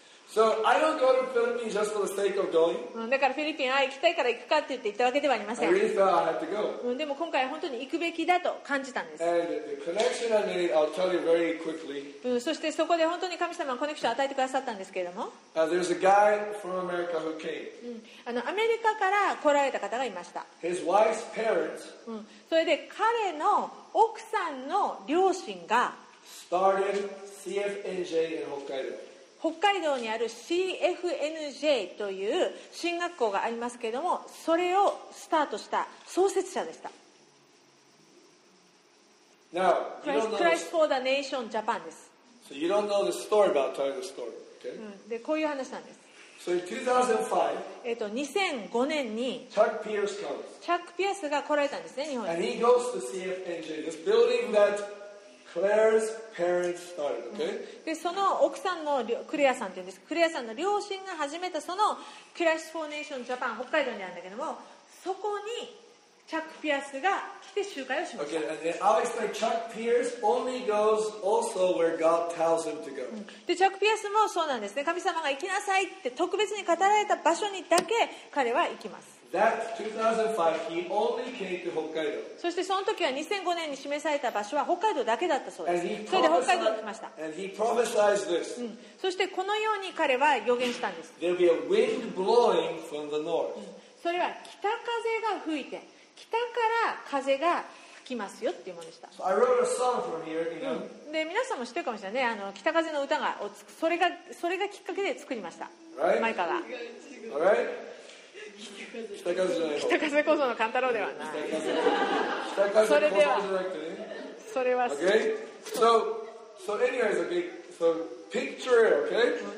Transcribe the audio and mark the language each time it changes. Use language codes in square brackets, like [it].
[en] So I don't go to Philippines just for the sake of going. [ja] だからフィリピン行きたいから行くかって言って行ったわけではありません。 [en] I really felt I had to go. [ja] でも今回本当に行くべきだと感じたんです。 [en] And the connection I made, I'll tell you very quickly. [ja] そしてそこで本当に神様はコネクションを与えてくださったんですけれども。 [en] There's a guy from America who came. [ja] アメリカから来られた方がいました。 [en] His wife's parents. [ja] それで彼の奥さんの両親が [en] started CFNJ in Hokkaido. [ja] 北海道にある CFNJ という進学校がありますけれどもそれをスタートした創設者でした。 [en] Now, [ja] Christ for the Nation Japan です。 [en] So you don't know the story, but I'll tell you the story, okay? [ja] で、こういう話なんです。 [en] So in 2005, [ja] 2005年に [en] Chuck Pierce [ja] が来られたんですね、日本に。 [en] And he goes to CFNJ, this building thatClaire's parents started, okay? [ja] でその奥さんのクレアさんというんですクレアさんの両親が始めたそのクラッシュフォーネーションジャパン北海道にあるんだけどもそこにチャック・ピアスが来て集会をしました。 [en] Okay, and I'll explain Chuck Pierce only goes also where God tells him to go. [ja] でチャック・ピアスもそうなんですね神様が行きなさいって特別に語られた場所にだけ彼は行きます。 [en] That 2005, he only came to Hokkaido. [ja] そしてその時は2005年に示された場所は北海道だけだったそうです。それで北海道に来ました。 [en] And he prophesied this. [ja] そしてこのように彼は予言したんです。 [en] There'll be a wind blowing from the north. [ja] それは北風が吹いて、北から風が吹きますよっていうものでした。 [en] So I wrote a song from here, you know. [ja] で皆さんも知ってるかもしれないね。北風の歌がそれがきっかけで作りました。 [en] Right? [ja] マイカが。 [en] All right? [ja] 北風じゃない方北風こその勘太郎ではない北風こそじゃなくてねそれは [en] okay? So anyways, okay? So picture it, okay?